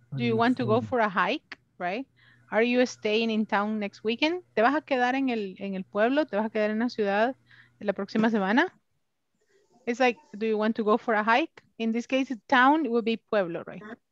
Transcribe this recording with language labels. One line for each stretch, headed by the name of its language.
English: Do you want to go for a hike, right? Are you staying in town next weekend?
Spanish: ¿Te vas a quedar en el pueblo? ¿Te vas a quedar en la ciudad en la próxima semana?
English: It's like, do you want to go for a hike? In this case, town would be pueblo, right?